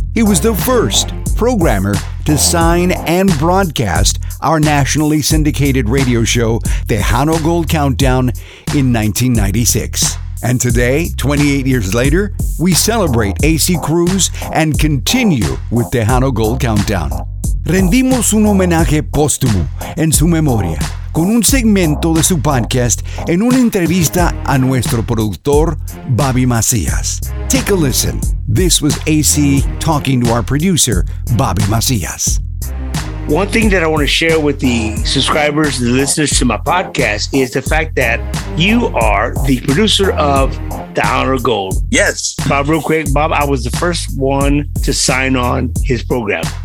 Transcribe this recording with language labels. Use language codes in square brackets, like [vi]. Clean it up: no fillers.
[en] He was the first programmer to sign and broadcast our nationally syndicated radio show, Tejano Gold Countdown, in 1996. And today, 28 years later, we celebrate AC Cruz and continue with Tejano Gold Countdown. [es] Rendimos un homenaje póstumo en su memoria con un segmento de su podcast en una entrevista a nuestro productor, Bobby Macias. [en] Take a listen. This was AC talking to our producer, Bobby Macias. One thing that I want to share with the subscribers and the listeners to my podcast is the fact that you are the producer of The Honor Gold. Yes. Bob, real quick. Bob, I was the first one to sign on his program.